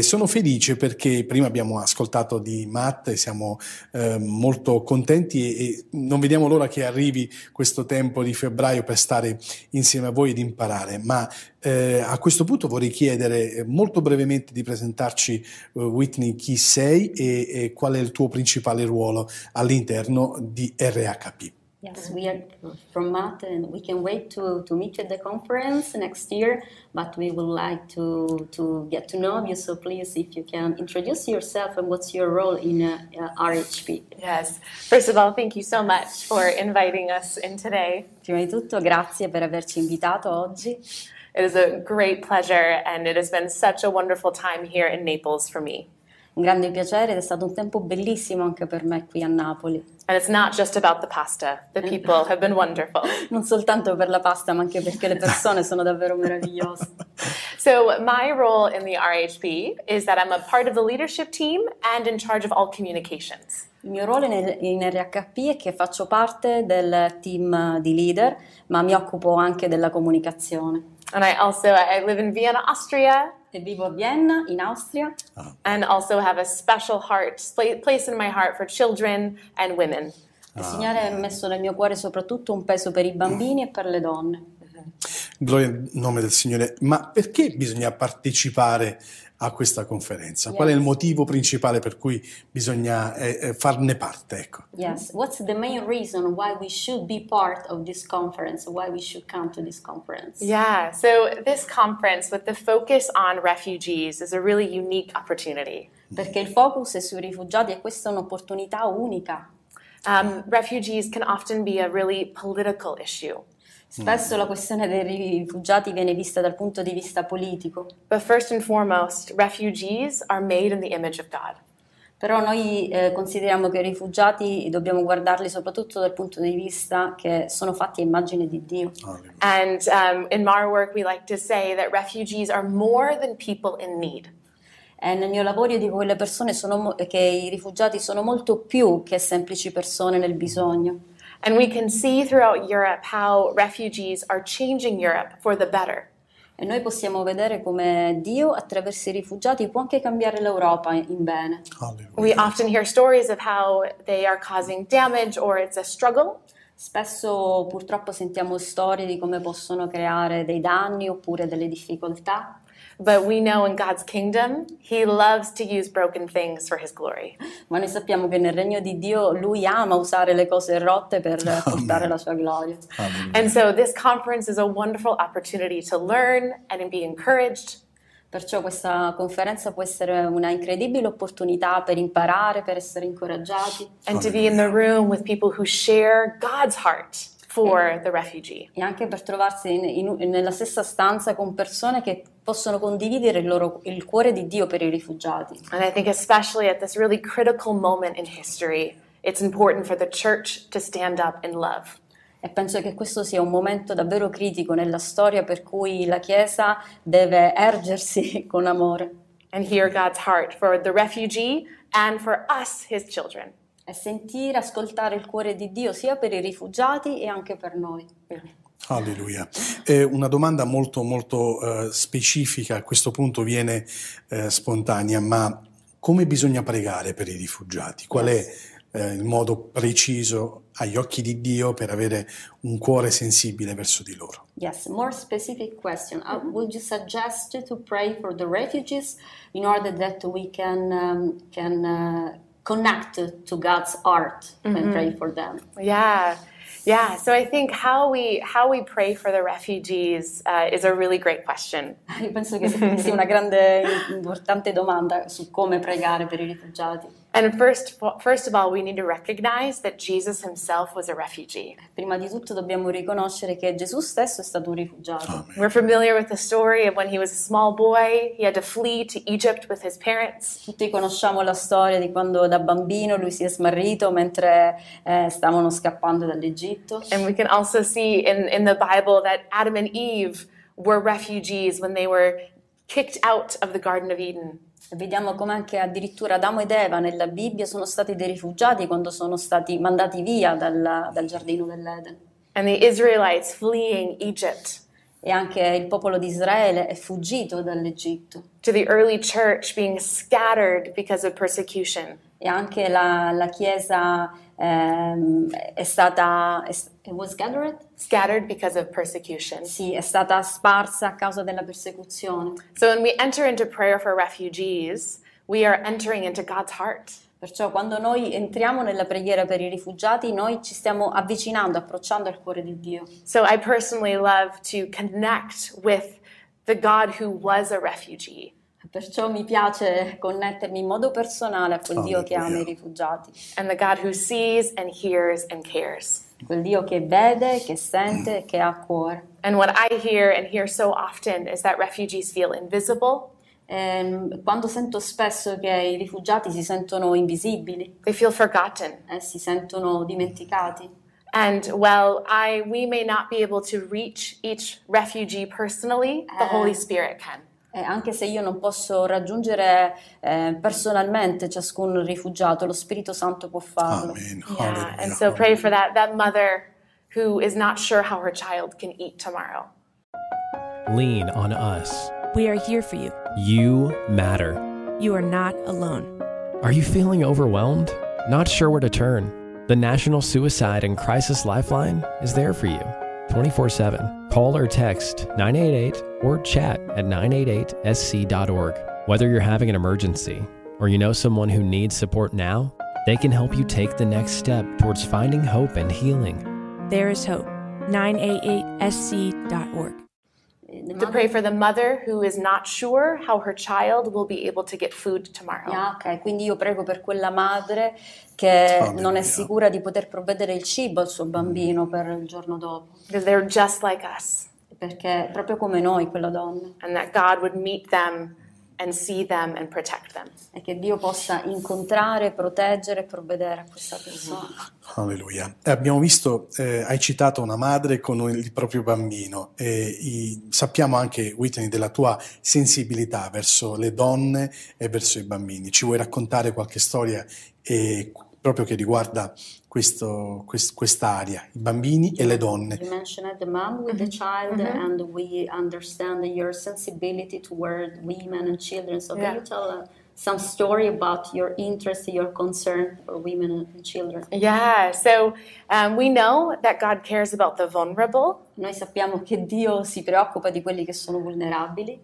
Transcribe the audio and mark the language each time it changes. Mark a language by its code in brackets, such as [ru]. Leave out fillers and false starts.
[it] Sono felice perché prima abbiamo ascoltato di Matt e siamo molto contenti e non vediamo l'ora che arrivi questo tempo di febbraio per stare insieme a voi ed imparare. Ma a questo punto vorrei chiedere molto brevemente di presentarci, Whitney, chi sei e qual è il tuo principale ruolo all'interno di RHP. [en] Yes, we are from Matt and we can wait to meet you at the conference next year, but we would like to get to know you, so please, if you can introduce yourself and what's your role in RHP. Yes, first of all, thank you so much for inviting us in today. [it] Prima di tutto, grazie per averci invitato oggi. [en] It is a great pleasure and it has been such a wonderful time here in Naples for me. [it] Un grande piacere ed è stato un tempo bellissimo anche per me qui a Napoli. [en] And it's not just about the pasta. The people have been wonderful. [it] Non soltanto per la pasta, ma anche perché le persone sono davvero meravigliose. [en] So my role in the RHP is that I'm a part of the leadership team and in charge of all communications. [it] Il mio ruolo in RHP è che faccio parte del team di leader, ma mi occupo anche della comunicazione. [en] And I live in Vienna, Austria. [it] E vivo a Vienna, in Austria. Oh. [en] And also have a special heart, place in my heart for children and women. Oh. [it] Il Signore ha messo nel mio cuore soprattutto un peso per i bambini e per le donne. Gloria al nome del Signore. Ma perché bisogna partecipare a questa conferenza? Yes. Qual è il motivo principale per cui bisogna farne parte? Ecco. [en] Yes, what's the main reason why we should be part of this conference, why we should come to this conference? Yeah, so this conference with the focus on refugees is a really unique opportunity. [it] Perché il focus è sui rifugiati e questa è un'opportunità unica. [en] Refugees can often be a really political issue. [it] Spesso la questione dei rifugiati viene vista dal punto di vista politico. [en] But first and foremost, refugees are made in the image of God. [it] Però noi consideriamo che i rifugiati dobbiamo guardarli soprattutto dal punto di vista che sono fatti a immagine di Dio. [en] Oh, and in my work we like to say that refugees are more than people in need. [it] E nel mio lavoro io dico che le persone sono che i rifugiati sono molto più che semplici persone nel bisogno. [en] And we can see throughout Europe how refugees are changing Europe for the better. [it] E noi possiamo vedere come Dio attraverso i rifugiati può anche cambiare l'Europa in bene. [en] We often hear stories of how they are causing damage or it's a struggle. [it] Spesso purtroppo sentiamo storie di come possono creare dei danni oppure delle difficoltà. [en] But we know in God's kingdom, He loves to use broken things for His glory. [it] Ma noi sappiamo che nel regno di Dio Lui ama usare le cose rotte per portare la sua gloria. [en] And so this conference is a wonderful opportunity to learn and be encouraged. [it] Perciò questa conferenza può essere una incredibile opportunità per imparare, per essere incoraggiati. [en] And to be in the room with people who share God's heart for the refugee. [it] E anche per trovarsi nella stessa stanza con persone che possono condividere il cuore di Dio per i rifugiati. [en] And I think especially at this really critical moment in history, it's important for the church to stand up in love. [it] E penso che questo sia un momento davvero critico nella storia per cui la Chiesa deve ergersi con amore. [en] And hear God's heart for the refugee and for us, his children. [it] E sentire, ascoltare il cuore di Dio sia per i rifugiati e anche per noi. Alleluia. Una domanda molto, molto specifica, a questo punto viene spontanea, ma come bisogna pregare per i rifugiati? Qual è il modo preciso agli occhi di Dio per avere un cuore sensibile verso di loro? [en] Yes, more specific question. Would you suggest to pray for the refugees in order that we can connect to God's heart and pray for them? Yeah. Yeah, so I think how we pray for the refugees is a really great question. [it] Io penso che sia una grande importante domanda su come pregare per i rifugiati. [en] And first of all, we need to recognize that Jesus himself was a refugee. [it] Prima di tutto dobbiamo riconoscere che Gesù stesso è stato un rifugiato. Amen. [en] We're familiar with the story of when he was a small boy, he had to flee to Egypt with his parents. [it] Tutti conosciamo la storia di quando da bambino lui si è smarrito mentre stavano scappando dall'Egitto. [en] And we can also see in the Bible that Adam and Eve were refugees when they were kicked out of the Garden of Eden. [it] Vediamo come anche addirittura Adamo ed Eva nella Bibbia sono stati dei rifugiati quando sono stati mandati via dal giardino dell'Eden. [en] And the Israelites fleeing Egypt. [it] E anche il popolo di Israele è fuggito dall'Egitto. [en] To the early church being scattered because of persecution. [it] E anche la chiesa è stata [en] scattered because of persecution. [it] Sì, è stata sparsa a causa della persecuzione. [en] So when we enter into prayer for refugees, we are entering into God's heart. [it] Perciò quando noi entriamo nella preghiera per i rifugiati, noi ci stiamo avvicinando, approcciando al cuore di Dio. [en] So I personally love to connect with the God who was a refugee. [it] Perciò mi piace connettermi in modo personale a quel Dio che ama i rifugiati. [en] And the God who sees and hears and cares. [it] Quel Dio che vede, che sente, che ha cuore. [en] And what I hear and hear so often is that refugees feel invisible. [it] Quando sento spesso che i rifugiati si sentono invisibili. [en] They feel forgotten. [it] Si sentono dimenticati. [en] And while we may not be able to reach each refugee personally, the Holy Spirit can. [it] Anche se io non posso raggiungere personalmente ciascun rifugiato, lo Spirito Santo può farlo. [en] Amen. Yeah. And so pray for that mother who is not sure how her child can eat tomorrow. Lean on us. We are here for you. You matter. You are not alone. Are you feeling overwhelmed? Not sure where to turn? The National Suicide and Crisis Lifeline is there for you. 24/7. Call or text 988 or chat at 988sc.org. Whether you're having an emergency or you know someone who needs support now, they can help you take the next step towards finding hope and healing. There is hope. 988sc.org. To pray for the mother who is not sure how her child will be able to get food tomorrow. [it] Yeah, okay, quindi io prego per quella madre che non è sicura di poter provvedere il cibo al suo bambino per il giorno dopo. [en] Because they're just like us. [it] Perché proprio come noi, quella donna. [en] And that God would meet them and see them and protect them. [it] E che Dio possa incontrare, proteggere e provvedere a questa persona. Alleluia. Abbiamo visto, hai citato una madre con il proprio bambino. Sappiamo anche, Whitney, della tua sensibilità verso le donne e verso i bambini. Ci vuoi raccontare qualche storia proprio che riguarda quest'area, i bambini e le donne? [en] You mentioned the mom with the child, and we understand your sensibility toward women and children. So can you tell some story about your interest, your concern for women and children? Yeah, so we know that God cares about the vulnerable. [it] Noi sappiamo che Dio si preoccupa di quelli che sono vulnerabili.